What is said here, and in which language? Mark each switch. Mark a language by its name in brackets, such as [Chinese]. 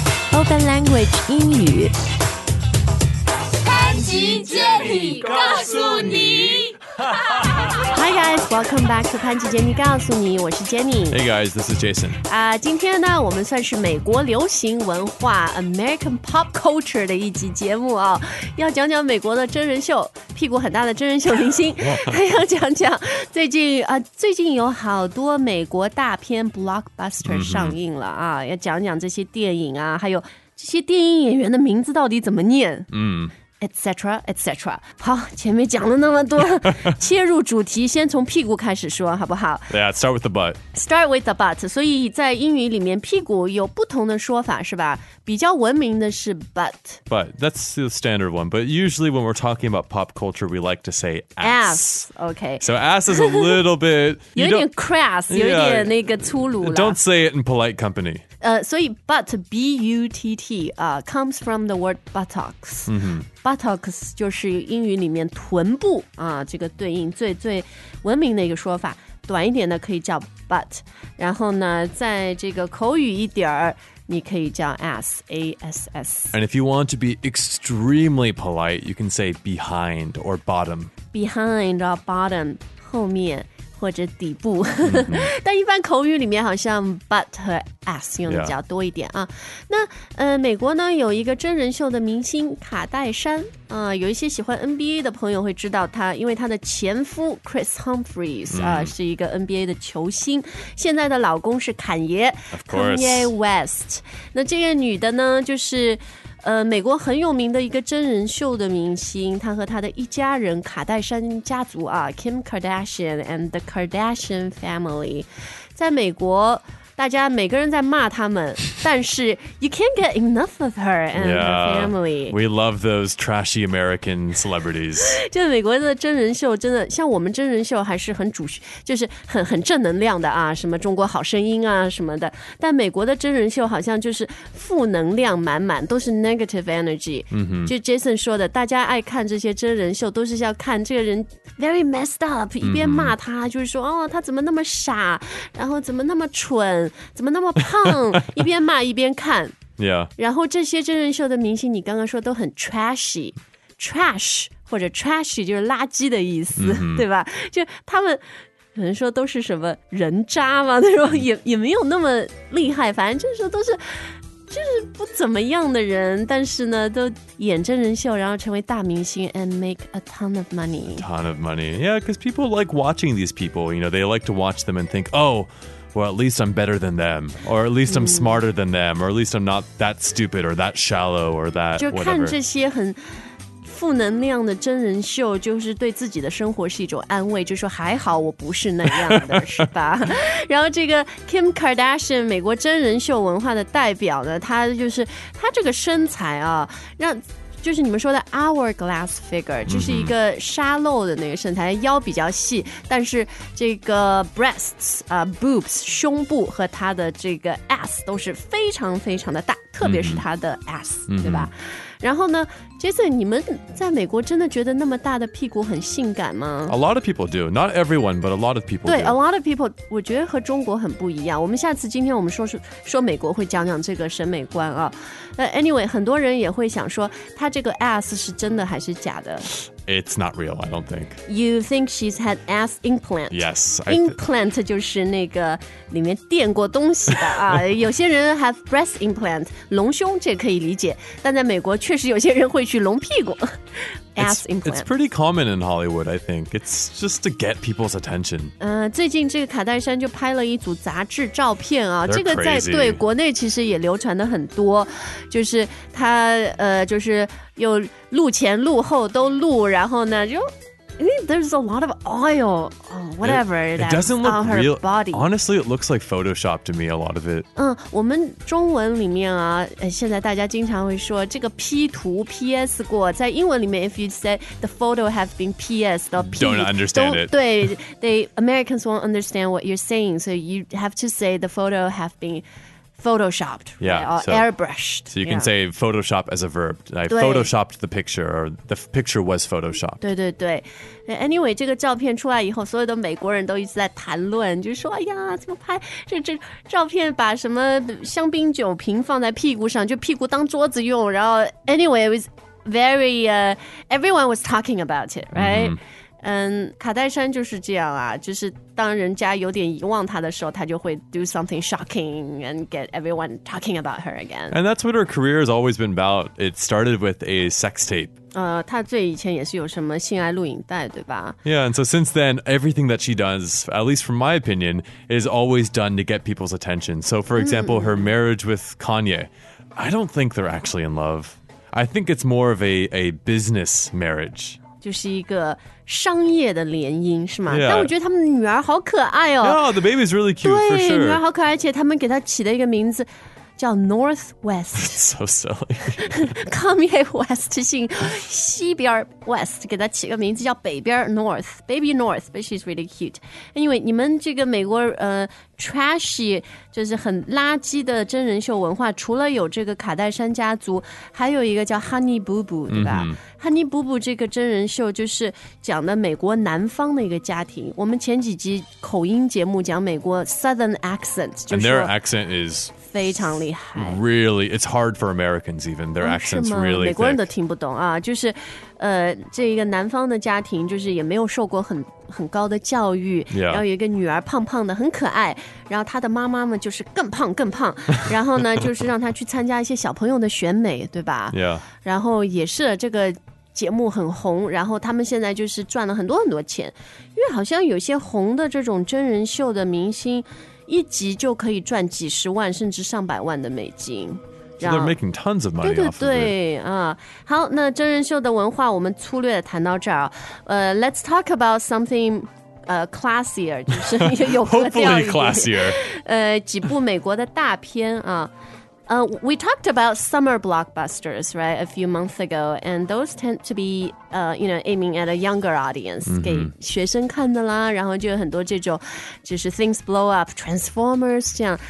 [English] Spoken Language [Chinese] 英语。潘吉杰米告诉你。 [English] Hi guys, welcome back to 潘吉杰米告诉你， [Chinese] 我是 [English] Jenny。 Hey guys, this is Jason. [Chinese] 今天呢，我们算是美国流行文化 [English] American Pop Culture [Chinese] 的一集节目啊、哦，要讲讲美国的真人秀，屁股很大的真人秀明星，还要讲讲最近啊、最近有好多美国大片 blockbuster 上映了啊、mm-hmm. 要讲讲这些电影啊，还有这些电影演员的名字到底怎么念？ Etc. Etc. 好，前面讲了那么多，切入主题，先从屁股开始说，好不好 [English] ？Yeah, start with the butt. Start with the butt. [Chinese] 所以在英语里面，屁股有不同的说法，是吧？比较文明的是 butt. [English] But that's the standard one. But usually when we're talking about pop culture, we like to say ass. Ass, okay. So ass is a little bit [Chinese] 有点 crass, 有点那个粗鲁了。 [English] Don't say it in polite company. [Chinese] 所以 [English] butt, B-U-T-T, comes from the word buttocks. Mm-hmm. [Chinese] Buttocks 就是英语里面臀部啊，这个对应最最文明的一个说法，短一点的可以叫 butt， 然后呢，在这个口语一点儿，你可以叫 ass ass。 [English] And if you want to be extremely polite, you can say behind or bottom. Behind or bottom， [Chinese] 后面或者底部。 Mm-hmm. 但一般口语里面好像 butt 和 ass 用的比较多一点啊。 [English] Yeah. [Chinese] 那美国呢有一个真人秀的明星卡戴珊啊、有一些喜欢 NBA 的朋友会知道他，因为他的前夫 Chris Humphries 啊、mm-hmm. 是一个 NBA 的球星，现在的老公是坎爷 Kanye West。那这个女的呢，就是美国很有名的一个真人秀的明星，他和他的一家人卡戴珊家族啊 ，Kim Kardashian and the Kardashian family， 在美国，大家每个人在骂他们，但是 [English] you can't get enough of her and yeah, her family. We love those trashy American celebrities. [Chinese] 就美国的真人秀真的像我们真人秀还是很主，就是很正能量的啊，什么中国好声音啊什么的。但美国的真人秀好像就是负能量满满，都是 negative energy.、 Mm-hmm. 就 Jason 说的，大家爱看这些真人秀都是要看这个人 [English] very messed up， [Chinese] 一边骂他、mm-hmm. 就是说哦他怎么那么傻，然后怎么那么蠢。怎么那么胖？一边骂一边看。 [English] Yeah. [Chinese] 然后这些真人秀的明星，你刚刚说都很 trashy， trash 或者 trashy 就是垃圾的意思， mm-hmm. 对吧？就他们可能说都是什么人渣嘛，那种也没有那么厉害，反正就是说都是。就是不怎么样的人，但是呢，都演真人秀，然后成为大明星 ， [English] and make a ton of money. A ton of money, yeah, because people like watching these people. You know, they like to watch them and think, oh, well, at least I'm better than them, or at least I'm smarter than them, or at least I'm not that stupid or that shallow or that. [Chinese] 就看这些很负能量的真人秀，就是对自己的生活是一种安慰，就说还好我不是那样的，是吧？然后这个 Kim Kardashian， 美国真人秀文化的代表呢，她就是她这个身材啊，让就是你们说的 hourglass figure， 就是一个沙漏的那个身材，腰比较细，但是这个 breasts 啊、boobs 胸部和她的这个 ass 都是非常非常的大，特别是她的 ass，、嗯、对吧？然后呢 ，Jason， 你们在美国真的觉得那么大的屁股很性感吗 [English] ？A lot of people do, not everyone, but a lot of people. [Chinese] 对 [English] do. ， a lot of people， [Chinese] 我觉得和中国很不一样。我们下次今天我们说美国会讲讲这个审美观啊。 Anyway， 很多人也会想说，他这个 ass 是真的还是假的 [English] ？It's not real, I don't think. You think she's had ass implant? Yes, [Chinese] implant 就是那个里面垫过东西的啊。有些人 [English] have breast implant， [Chinese] 隆胸这可以理解，但在美国确实有些人会去隆屁股 ass implant. [English] It's pretty common in Hollywood, I think. It's just to get people's attention. [Chinese] 最近这个卡戴珊就拍了一组杂志照片啊， [English] They're、 [Chinese] 这个在、 [English] crazy. [Chinese] 对国内其实也流传的很多，就是他就是又录前录后都录，然后呢就。 [English] There's a lot of oil, whatever. It doesn't look on her real. Body. Honestly, it looks like Photoshop to me. A lot of it. [Chinese] 我们中文里面啊，现在大家经常会说这个 P 图 PS 过，在英文里面 ， [English] if you say the photo have been PS, the P don't understand it. 对 ，the Americans won't understand what you're saying, so you have to say the photo have been photoshopped, right? Airbrushed. So you can say Photoshop as a verb. I photoshopped the picture, or the picture was photoshopped. [Chinese] 对对对。 Anyway, 这个照片出来以后，所有的美国人都一直在谈论，就说哎呀，怎么拍这照片，把什么香槟酒瓶放在屁股上，就屁股当桌子用。然后 [English] anyway, it was very, everyone was talking about it, right?、Mm-hmm. [Chinese] 卡戴珊就是这样啊，就是当人家有点遗忘她的时候，她就会 [English] do something shocking and get everyone talking about her again. And that's what her career has always been about. It started with a sex tape. [Chinese] 她最以前也是有什么性爱录影带，对吧？ [English] Yeah, and so since then, everything that she does, at least from my opinion, is always done to get people's attention. So for example, her marriage with Kanye, I don't think they're actually in love. I think it's more of a business marriage. [Chinese] 就是一个商业的联姻是吗、yeah. 但我觉得他们女儿好可爱哦 [English] No, the baby's really cute, [Chinese] 对、 [English] for sure. [Chinese] 女儿好可爱而且他们给她起了一个名字叫 Northwest [English] So silly [Chinese] Kanye West 姓西边 West 给她起个名字叫北边 North Baby North [English] But she's really cute [Chinese] Anyway, 你们这个美国、Trashy 就是很垃圾的真人秀文化除了有这个卡戴珊家族还有一个叫 Honey Boo Boo 对吧、mm-hmm. Honey Boo Boo 这个真人秀就是讲的美国南方的一个家庭我们前几集口音节目讲美国 Southern Accent [English] And their accent is [Chinese] 非常厉害 [English] Really, it's hard for Americans even Their accent's really thick [Chinese] 美国人都听不懂啊就是这一个南方的家庭就是也没有受过很高的教育、 [English] yeah. [Chinese] 然后有一个女儿胖胖的很可爱然后她的妈妈们就是更胖更胖然后呢就是让她去参加一些小朋友的选美对吧、 [English] yeah. [Chinese] 然后也是这个节目很红然后他们现在就是赚了很多很多钱因为好像有些红的这种真人秀的明星一集就可以赚几十万甚至上百万的美金 [English] So they're making tons of money [Chinese] 对对对 [English] off of it. [Chinese] 好那真人秀的文化我们粗略谈到这儿。 [English] Let's talk about something classier, [Chinese] 就是有格调一点。 [English] Hopefully classier. [Chinese] 几部美国的大片啊。 [English] We talked about summer blockbusters, right, a few months ago, and those tend to be, you know, aiming at a younger audience,、mm-hmm. [Chinese] 给学生看的啦，然后就有很多这种，就是 [English] things blow up, Transformers, 这样。